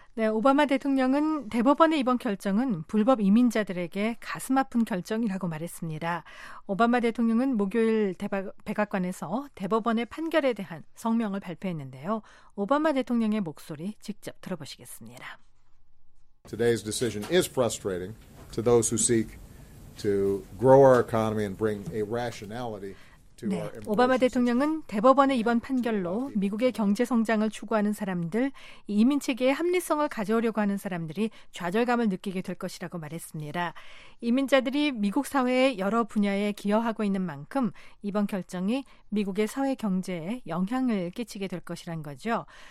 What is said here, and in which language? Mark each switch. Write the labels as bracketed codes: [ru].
[ko] 네, 오바마 대통령은 대법원의 이번 결정은 불법 이민자들에게 가슴 아픈 결정이라고 말했습니다. 오바마 대통령은 목요일 백악관에서 대법원의 판결에 대한 성명을 발표했는데요. 오바마 대통령의 목소리 직접 들어보시겠습니다. [en] Today's decision is frustrating to those who seek to grow our economy and bring a rationality. [ko] 네, 오바마 대통령은 대법원의 이번 판결로 미국의 경제성장을 추구하는 사람들, 이민체계의 합리성을 가져오려고 하는 사람들이 좌절감을 느끼게 될 것이라고 말했습니다. 이민자들이 미국 사회의 여러 분야에 기여하고 있는 만큼 이번 결정이 미국의 사회 경제에 영향을 끼치게 될 것이란 거죠.